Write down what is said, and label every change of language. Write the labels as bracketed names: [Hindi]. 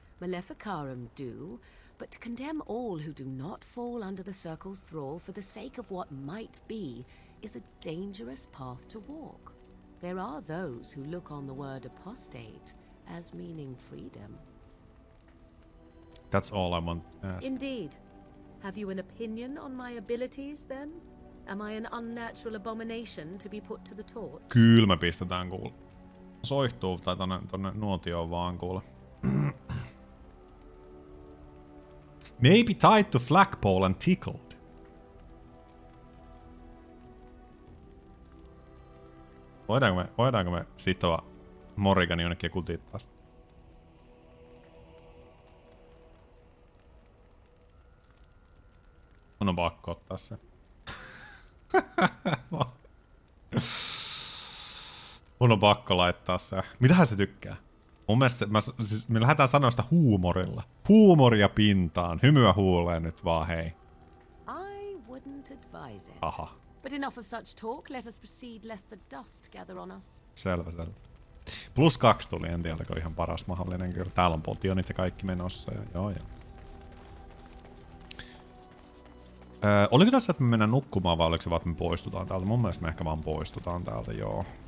[English] Maleficarum do, but to condemn all who do not fall under the circle's thrall for the sake of what might be is a dangerous path to walk. There are those who look on the word apostate as meaning freedom. That's all I want to ask. Indeed. Have you an opinion on my abilities, then? Am I an unnatural abomination to be put to the torch? [Finnish] Kyllä me pistetään kuule. Soihtuu tai tonne nuotioon vaan kuule. [English] Maybe tied to flagpole and tickled. [Finnish] Voidaanko me sitoa Morrigani jonnekin kultiin vasta? Mun on pakko ottaa se. Mun on pakko laittaa se. Mitähän se tykkää? Mun mielestä me lähdetään sanoa sitä huumorilla. Huumoria pintaan. Hymyä huuleen nyt vaan, hei. [English] I wouldn't advise it. Aha. But enough of such talk, let us proceed lest the dust gather on us. [Finnish] Selvä, selvä. Plus 2 tuli, en tiedä, oliko ihan paras mahdollinen kyllä. Täällä on potionit ja kaikki menossa ja joo joo. Oliko tässä, että me mennään nukkumaan vai oliko se vaan, että me poistutaan täältä? Mun mielestä me ehkä vaan poistutaan täältä, joo.